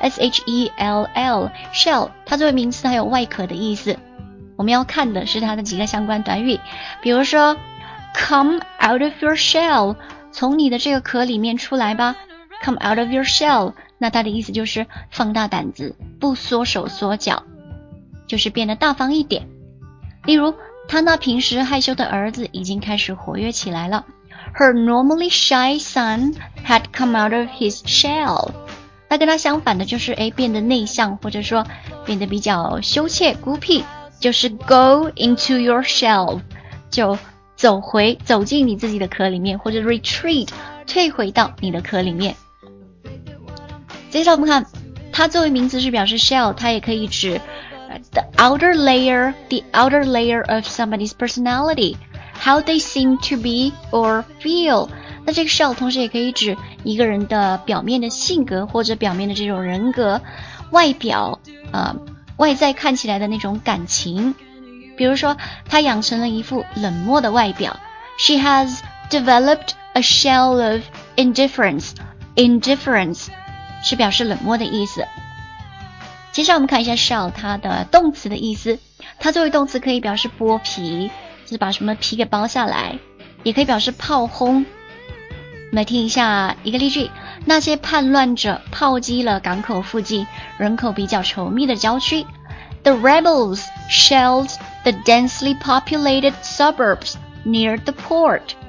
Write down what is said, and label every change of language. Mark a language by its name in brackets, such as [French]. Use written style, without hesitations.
[Chinese] shell 它作为名词它有外壳的意思，我们要看的是它的几个相关短语，比如说 [English] Come out of your shell， [Chinese] 从你的这个壳里面出来吧。 [English] Come out of your shell， [Chinese] 那它的意思就是放大胆子，不缩手缩脚，就是变得大方一点。例如，她那平时害羞的儿子已经开始活跃起来了。 [English] Her normally shy son had come out of his shell。 [Chinese] 那跟他相反的就是变得内向，或者说变得比较羞怯孤僻，就是 [English] go into your shell， [Chinese] 就走进你自己的壳里面，或者 retreat 退回到你的壳里面。接下来我们看，它作为名词是表示 shell， 它也可以指 [English] the outer layer of somebody's personality， how they seem to be or feel。 [Chinese] 那这个 shell 同时也可以指一个人的表面的性格，或者表面的这种人格外表，外在看起来的那种感情。比如说她养成了一副冷漠的外表， [English] She has developed a shell of indifference。 [Chinese] Indifference 是表示冷漠的意思。接下来我们看一下 shell 它的动词的意思，它作为动词可以表示剥皮，就是把什么皮给剥下来，也可以表示炮轰。我们来听一下一个例句，那些叛乱者炮击了港口附近人口比较稠密的郊区。 [English] The rebels shelled the densely populated suburbs near the port。